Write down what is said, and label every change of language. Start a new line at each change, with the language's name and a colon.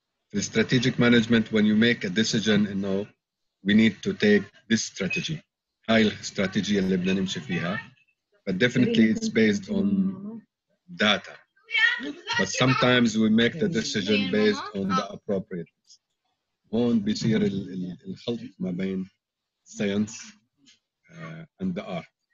English: في strategic management when you make a decision and know we need to take this strategy.
Arabic: هاي الاستراتيجية اللي بدنا نمشي فيها.
English: But definitely it's based on data. But sometimes we make the decision based on the appropriateness.
Arabic: هون بيصير الخلط ما بين
English: science and the art.